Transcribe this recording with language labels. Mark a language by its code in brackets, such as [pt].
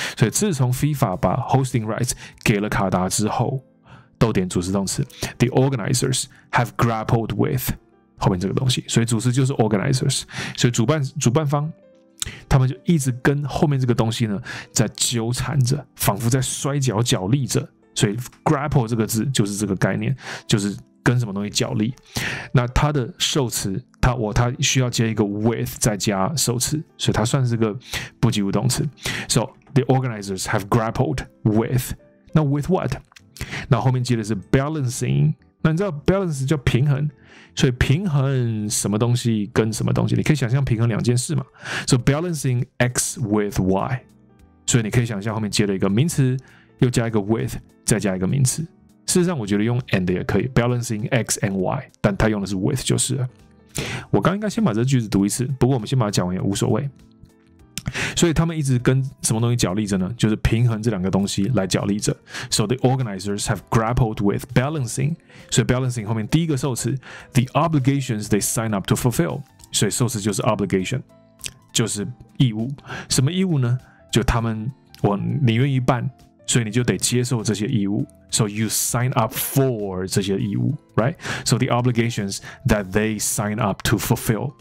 [zh] 所以自从 FIFA 把 hosting rights 给了卡达之后，逗点主词动词 ， [en] the organizers have grappled with [zh] 后面这个东西，所以主词就是 organizers， 所以主办方他们就一直跟后面这个东西呢在纠缠着，仿佛在摔跤角力着，所以 grapple 这个字就是这个概念，就是跟什么东西角力。那他的受词，他需要接一个 with 再加受词，所以他算是个不及物动词。 [en] So the organizers have grappled with， 那 with what？ [zh] 那后面接的是 balancing， 那你知道 balance 叫平衡，所以平衡什么东西跟什么东西，你可以想象平衡两件事嘛。 [en] So balancing X with Y， [zh] 所以你可以想象后面接了一个名词，又加一个 with， 再加一个名词。事实上我觉得用 and 也可以， [en] balancing X and Y， [zh] 但他用的是 with 就是了。我刚应该先把这句子读一次，不过我们先把它讲完也无所谓。所以他们一直跟什么东西角力着呢？就是平衡这两个东西来角力着。 [en] So the organizers have grappled with balancing. [zh] 所以 balancing 后面第一个受词 [en] the obligations they sign up to fulfill. [zh] 所以受词就是 obligation， 就是义务。什么义务呢？就他们，我你愿意办，所以你就得接受这些义务。 [en] So you sign up for [zh] 这些义务 [en] right? So the obligations that they sign up to fulfill.